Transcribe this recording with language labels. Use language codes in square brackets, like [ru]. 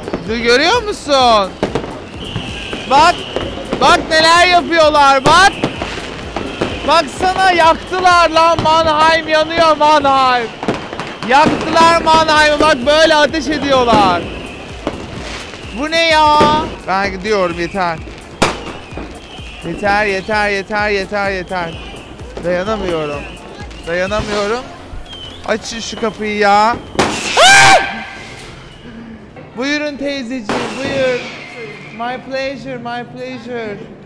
[tr] Görüyor musun? Bak. Bak neler yapıyorlar bak. Baksana yaktılar lan Mannheim, yanıyor Mannheim. Yaktılar Mannheim'i, bak böyle ateş ediyorlar. Bu ne ya? Ben gidiyorum, yeter. Yeter yeter yeter yeter yeter. Dayanamıyorum. Dayanamıyorum. Açın şu kapıyı ya. Buyurun teyzeciğim, buyur. [en] My pleasure, my pleasure.